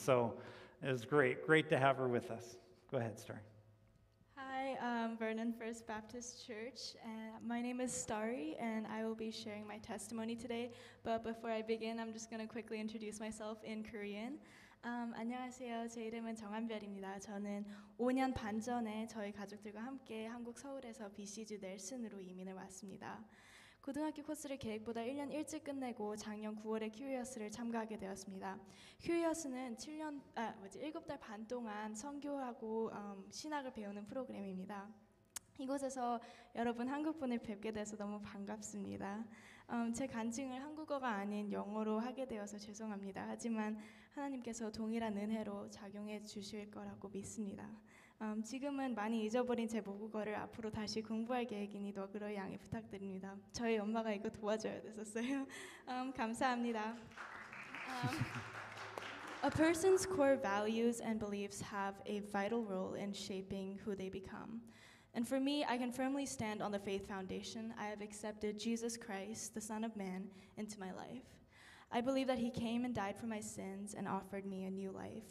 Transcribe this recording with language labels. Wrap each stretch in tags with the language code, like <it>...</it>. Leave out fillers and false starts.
<en>So. It was great. Great to have her with us. Go ahead, Starry. Hi, Vernon First Baptist Church. My name is Starry, and I will be sharing my testimony today. But before I begin, I'm just going to quickly introduce myself in Korean.</en> <ko>안녕하세요. 제 이름은 정한별입니다. 저는 5년 반 전에 저희 가족들과 함께 한국 서울에서 BCG 넬슨으로 이민을 왔습니다. 고등학교 코스를 계획보다 1년 일찍 끝내고 작년 9월에 큐리어스를 참가하게 되었습니다. 큐리어스는 7달 반 동안 선교하고 신학을 배우는 프로그램입니다. 이곳에서 여러분 한국분을 뵙게 돼서 너무 반갑습니다. 제 간증을 한국어가 아닌 영어로 하게 되어서 죄송합니다. 하지만 하나님께서 동일한 은혜로 작용해 주실 거라고 믿습니다. 지금은 많이 잊어버린 제 모국어를 앞으로 다시 공부할 계획이니 너그러이 양해 부탁드립니다. 저희 엄마가 이거 도와줘야 됐었어요. 감사합니다.</ko> <en>A person's core values and beliefs have a vital role in shaping who they become. And for me, I can firmly stand on the faith foundation. I have accepted Jesus Christ, the Son of Man, into my life. I believe that he came and died for my sins and offered me a new life.</en>